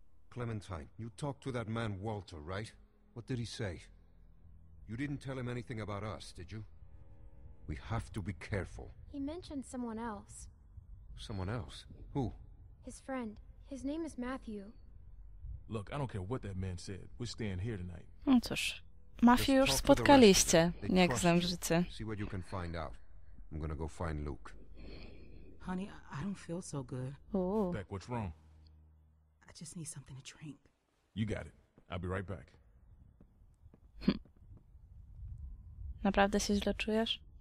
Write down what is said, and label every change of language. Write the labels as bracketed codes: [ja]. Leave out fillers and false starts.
[en] Clementine, you talked to that man Walter, right? What did he say? You didn't tell him anything about us, did you? We have to be careful. He mentioned someone else. Someone else? Who? His friend. His name is Matthew. Look, I don't care what that man said. We're staying here tonight. [pl] No cóż, Matthew już spotkaliście. Niech zamrzycie. [en] See what you can find out. I'm gonna go find Luke. Honey, I don't feel so good. Ooh. Beck, what's wrong? I just need something to drink. You got it. I'll be right back. [pl] Naprawdę się źle czujesz?